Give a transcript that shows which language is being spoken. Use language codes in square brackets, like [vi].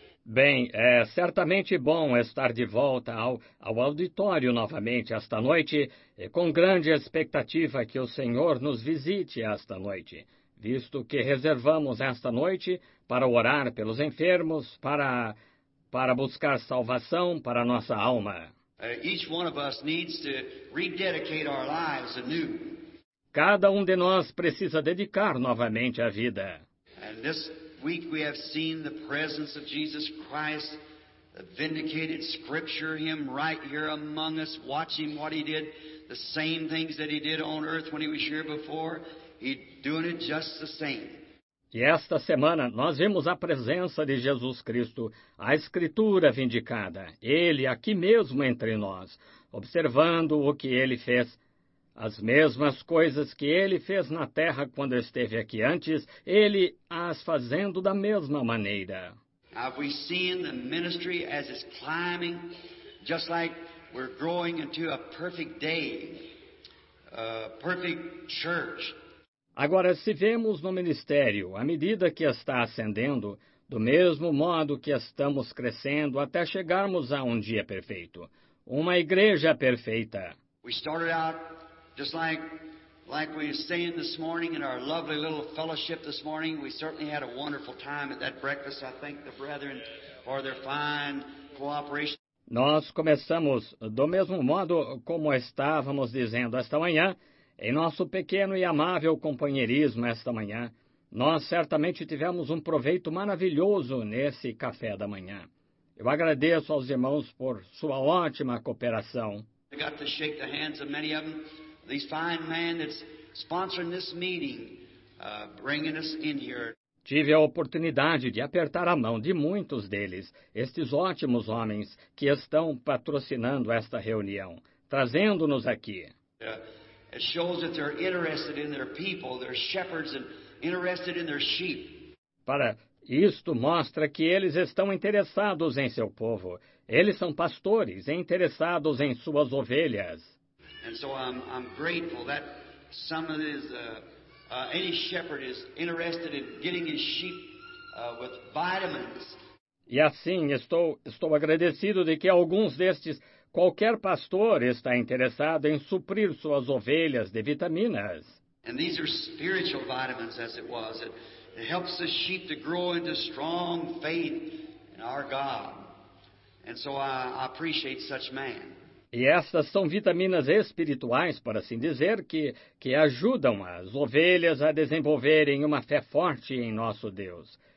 [pt] Bem, é certamente bom estar de volta ao auditório novamente esta noite, com grande expectativa que o Senhor nos visite esta noite, visto que reservamos esta noite para orar pelos enfermos, para buscar salvação para nossa alma. [en] Each one of us needs to rededicate our lives anew. [pt] Cada de nós precisa dedicar novamente a vida. [en] And this week we have seen the presence of Jesus Christ, the vindicated scripture, him right here among us, watching what he did, the same things that he did on earth when he was here before, he's doing it just the same. [pt] E esta semana nós vimos a presença de Jesus Cristo, a escritura vindicada, ele aqui mesmo entre nós, observando o que ele fez. As mesmas coisas que ele fez na terra quando esteve aqui antes, ele as fazendo da mesma maneira. [en] Have we seen the ministry as it's climbing, just like we're growing into a perfect day, a perfect church? [pt] Agora, se vemos no ministério, à medida que está ascendendo, do mesmo modo que estamos crescendo até chegarmos a dia perfeito, uma igreja perfeita. [en] We started out just like we were saying this morning in our lovely little fellowship this morning. We certainly had a wonderful time at that breakfast. I thank the brethren for their fine cooperation. [pt] Nós começamos do mesmo modo como estávamos dizendo esta manhã, em nosso pequeno e amável companheirismo esta manhã. Nós certamente tivemos proveito maravilhoso nesse café da manhã. Eu agradeço aos irmãos por sua ótima cooperação. [en] I got to shake the hands of many of them. These fine men that's sponsoring this meeting, bringing us in here. [pt] Tive a oportunidade de apertar a mão de muitos deles, estes ótimos homens que estão patrocinando esta reunião, trazendo-nos aqui. [en] It shows that they're interested in their people, their shepherds, and interested in their sheep. [pt] Para isto mostra que eles estão interessados em seu povo. Eles são pastores interessados em suas ovelhas. [en] And so I'm grateful that some of this, any shepherd is interested in getting his sheep with vitamins. [pt] E assim, estou agradecido de que alguns destes, qualquer pastor está interessado em suprir suas ovelhas de vitaminas. [en] And these are spiritual vitamins, as it was. It helps the sheep to grow into strong faith in our God. And so I appreciate such man. [pt] E estas são vitaminas espirituais, por assim dizer, que ajudam as ovelhas a desenvolverem uma fé forte em nosso Deus.